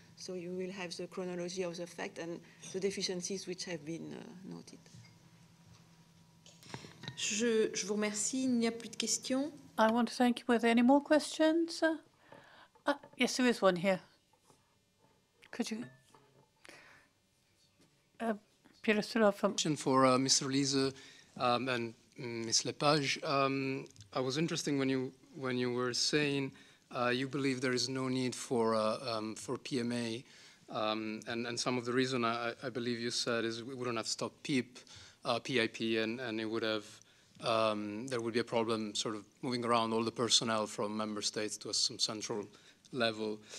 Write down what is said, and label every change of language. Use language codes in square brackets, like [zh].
[en] So you will have the chronology of the fact and the deficiencies which have been noted. [fr] Je vous remercie, il n'y a plus de questions. [en] I want to thank you. Were there any more questions? Yes, there is one here. Could you? Pierre Stoulard from... Question for Mr. Lise and Ms. LePage. I was interested when you were saying you believe there is no need for PMA, and some of the reason I believe you said is we wouldn't have stopped PIP, and it would have there would be a problem sort of moving around all the personnel from member states to some central level.